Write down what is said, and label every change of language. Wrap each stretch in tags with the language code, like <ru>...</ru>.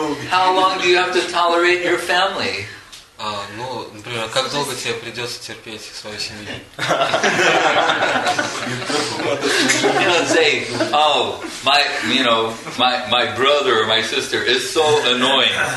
<en>How long do you have to tolerate your family?</en> <ru>Ну, например, как долго тебе придется терпеть свою семью?</ru> <en>You don't say, oh, my brother or my sister is so annoying.</en>